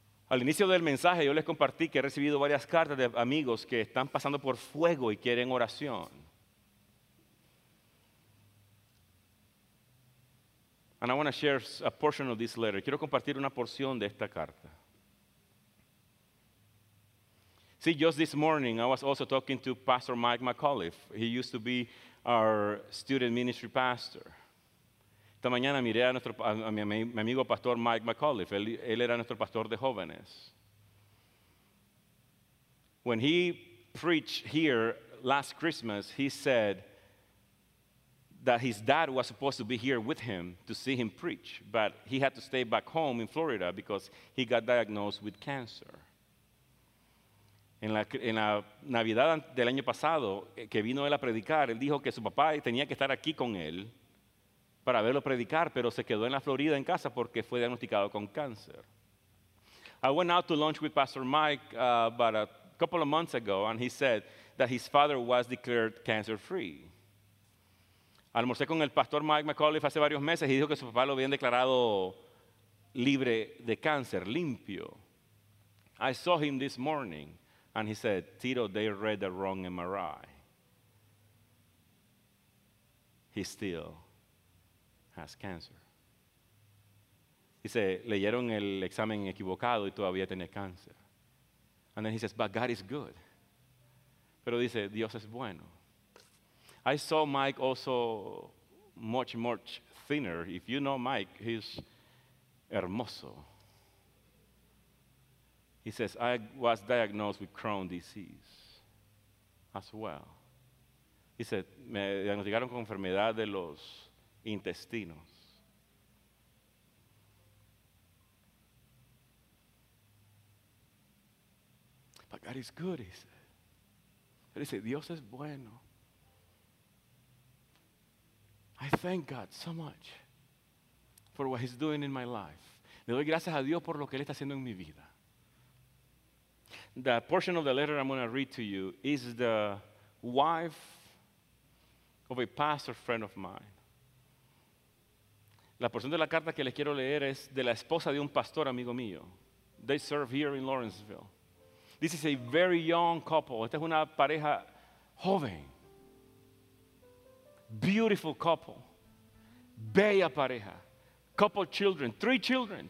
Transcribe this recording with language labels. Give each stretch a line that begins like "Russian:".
Spanish: Al inicio del mensaje, yo les compartí que he recibido varias cartas de amigos que están pasando por fuego y quieren oración.
English: And I want to share a portion of this letter.
Spanish: Quiero compartir una porción de esta carta.
English: See, just this morning, I was also talking to Pastor Mike McAuliffe. He used to be our student ministry pastor.
Spanish: Esta mañana miré a mi amigo Pastor Mike McAuliffe. Él era nuestro pastor de jóvenes.
English: When he preached here last Christmas, he said that his dad was supposed to be here with him to see him preach, but he had to stay back home in Florida because he got diagnosed with cancer.
Spanish: En la Navidad del año pasado, que vino él a predicar, él dijo que su papá tenía que estar aquí con él para verlo predicar, pero se quedó en la Florida en casa porque fue diagnosticado con cáncer.
English: I went out to lunch with Pastor Mike about a couple of months ago, and he said that his father was declared cancer-free.
Spanish: Almorcé con el Pastor Mike McAuliffe hace varios meses y dijo que su papá lo había declarado libre de cáncer, limpio.
English: I saw him this morning. And he said, Tito, they read the wrong MRI. He still has cancer.
Spanish: Dice, leyeron el examen equivocado y todavía tiene cáncer.
English: And then he says, but God is good.
Spanish: Pero dice, Dios es bueno.
English: I saw Mike also much, much thinner. If you know Mike, he's hermoso. He says, I was diagnosed with Crohn's disease as well. He said,
Spanish: me diagnosticaron con enfermedad de los intestinos.
English: But God is good, he said.
Spanish: Él dice, Dios es bueno.
English: I thank God so much for what he's doing in my life.
Spanish: Le doy gracias a Dios por lo que él está haciendo en mi vida.
English: The portion of the letter I'm going to read to you is the wife of a pastor friend of mine.
Spanish: La porción de la carta que les quiero leer es de la esposa de un pastor amigo mío.
English: They serve here in Lawrenceville. This is a very young couple.
Spanish: Esta es una pareja joven.
English: Beautiful couple.
Spanish: Bella pareja.
English: Couple children. Three children.